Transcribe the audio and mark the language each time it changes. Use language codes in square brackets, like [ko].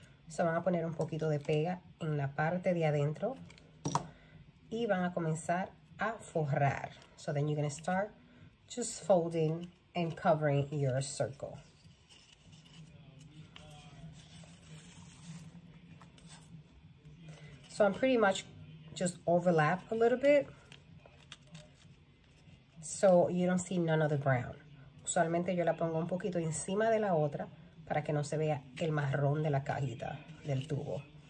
[es] So, van a poner un poquito de pega en la parte de adentro. Y van a comenzar a forrar. [en] So, then you're going to start just folding and covering your circle. So, I'm pretty much just overlap a little bit. So, you don't see none of the brown. [es] Usualmente, yo la pongo un poquito encima de la otra. Para que no se vea el marrón de la cajita del tubo.